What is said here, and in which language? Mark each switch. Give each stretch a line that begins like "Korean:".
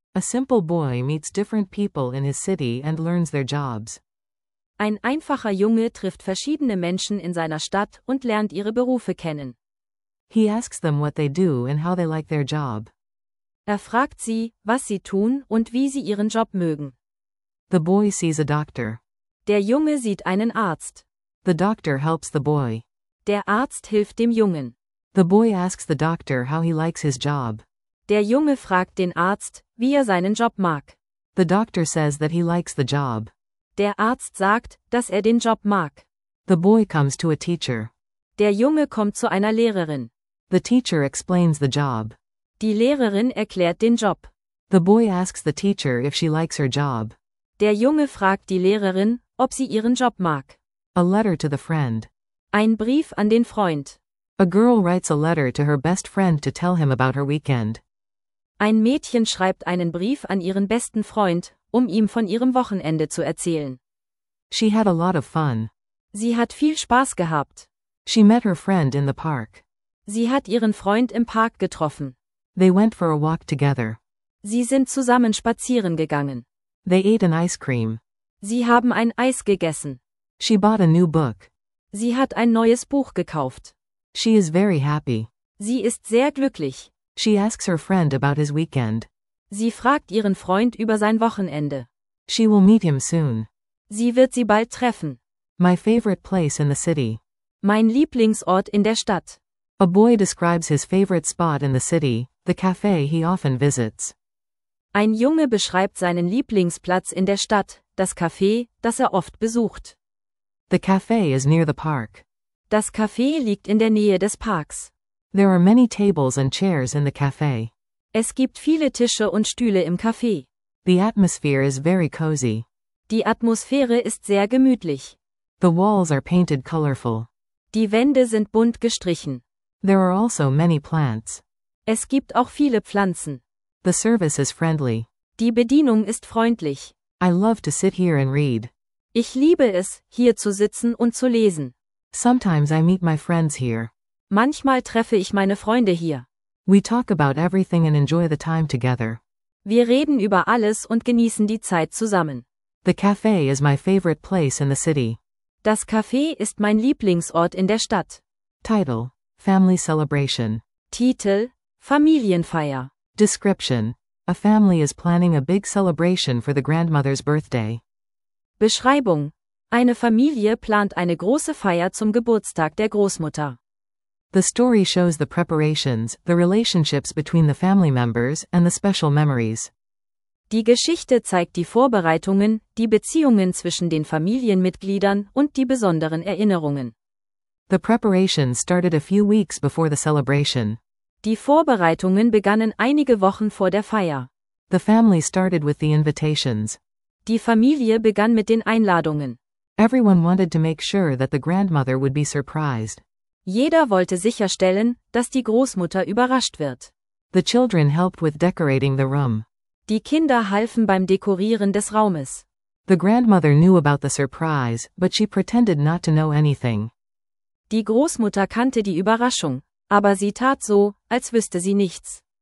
English: A simple boy meets different people in his city and learns their jobs.
German: Ein einfacher Junge trifft verschiedene Menschen in seiner Stadt und lernt ihre Berufe kennen.
English: He asks them what they do and how they like their job.
German: Er fragt sie, was sie tun und wie sie ihren Job mögen.
English: The boy sees a doctor.
German: Der Junge sieht einen Arzt.
English: The doctor helps the boy.
German: Der Arzt hilft dem Jungen.
English: The boy asks the doctor how he likes his job.
German: Der Junge fragt den Arzt, wie er seinen Job mag.
English: The doctor says that he likes the job.
German: Der Arzt sagt, dass er den Job mag.
English: The boy comes to a teacher.
German: Der Junge kommt zu einer Lehrerin.
English: The teacher explains the job.
German: Die Lehrerin erklärt den Job.
English: The boy asks the teacher if she likes her job.
German: Der Junge fragt die Lehrerin, ob sie ihren Job mag.
English: A letter to the friend.
German: Ein Brief an den Freund.
English: A girl writes a letter to her best friend to tell him about her weekend.
German: Ein Mädchen schreibt einen Brief an ihren besten Freund, um ihm von ihrem Wochenende zu erzählen.
English: She had a lot of fun.
German: Sie hat viel Spaß gehabt.
English: She met her friend in the park.
German: Sie hat ihren Freund im Park getroffen.
English: They went for a walk together.
German: Sie sind zusammen spazieren gegangen.
English: They ate an ice cream.
German: Sie haben ein Eis gegessen.
English: She bought a new book.
German: Sie hat ein neues Buch gekauft.
English: She is very happy.
German: Sie ist sehr glücklich.
English: She asks her friend about his weekend.
German: Sie fragt ihren Freund über sein Wochenende.
English: She will meet him soon.
German: Sie wird sie bald treffen.
English: My favorite place in the city.
German: Mein Lieblingsort in der Stadt.
English: A boy describes his favorite spot in the city, the cafe he often visits.
German: Ein Junge beschreibt seinen Lieblingsplatz in der Stadt, das Café, das er oft besucht.
English: The cafe is near the park.
German: Das Café liegt in der Nähe des Parks.
English: There are many tables and chairs in the cafe.
German: Es gibt viele Tische und Stühle im Café.
English: The atmosphere is very cozy.
German: Die Atmosphäre ist sehr gemütlich.
English: The walls are painted colorful.
German: Die Wände sind bunt gestrichen.
English: There are also many plants.
German: Es gibt auch viele Pflanzen.
English: The service is friendly.
German: Die Bedienung ist freundlich.
English: I love to sit here and read.
German: Ich liebe es, hier zu sitzen und zu lesen.
English: Sometimes I meet my friends here.
German: Manchmal treffe ich meine Freunde hier.
English: We talk about everything and enjoy the time together.
German: Wir reden über alles und genießen die Zeit zusammen.
English: The cafe is my favorite place in the city.
German: Das Café ist mein Lieblingsort in der Stadt.
English: Title: Family celebration.
German: Titel: Familienfeier.
English: Description: A family is planning a big celebration for the grandmother's birthday.
German: Beschreibung: Eine Familie plant eine große Feier zum Geburtstag der Großmutter.
English: The story shows the preparations, the relationships between the family members and the special memories.
German: Die Geschichte zeigt die Vorbereitungen, die Beziehungen zwischen den Familienmitgliedern und die besonderen Erinnerungen.
English: The preparation started a few weeks before the celebration.
German: Die Vorbereitungen begannen einige Wochen vor der Feier.
English: The family started with the invitations.
German: Die Familie begann mit den Einladungen.
English: Everyone wanted to make sure that the grandmother would be surprised.
German: Jeder wollte sicherstellen, dass die Großmutter überrascht wird.
English: The children helped with decorating the room.
German: Die Kinder halfen beim Dekorieren des Raumes.
English: The grandmother knew about the surprise, but she pretended not to know anything.
German: Die Großmutter kannte die Überraschung, aber sie tat so, als wüsste sie nichts.